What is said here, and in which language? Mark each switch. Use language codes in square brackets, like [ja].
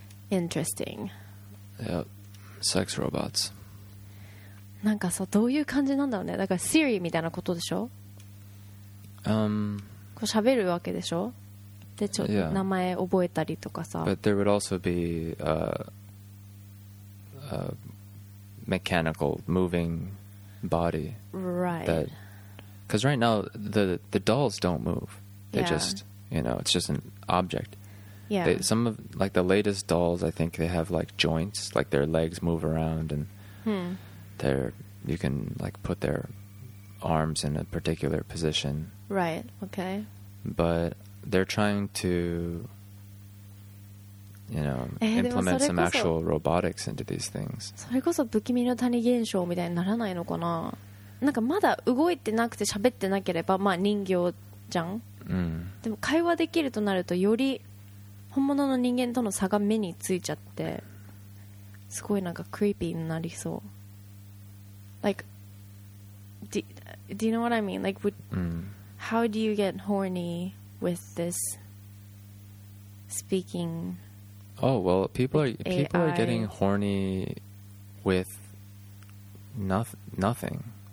[en] Interesting、 yep. Sex robots. [ja] なんかさ、どういう感じなんだろうね。だから Siri みたいなことでしょ。こう喋るわけでしょ。でちょっと名前覚えたりとかさ。 [en] But there would also be a mechanical moving body. Right. Because right now the dolls don't move. They、 yeah. just, you know, it's just an object. Yeah. Some of like the latest dolls, I think they have like joints, like their legs move around, and、they're you can like put their arms in a particular position. Right. Okay. But they're trying to, you know, implement some actual robotics into these things. [ja] それこそ不気味の谷現象みたいにならないのかな。なんかまだ動いてなくて喋ってなければまあ人形じゃん。でも会話できるとなるとより本物の人間との差が目についちゃってすごいなんかクリーピーになりそう。 [en] Like do you know what I mean? Like would,、how do you get horny with this speaking? Oh well, people are getting horny with nothing.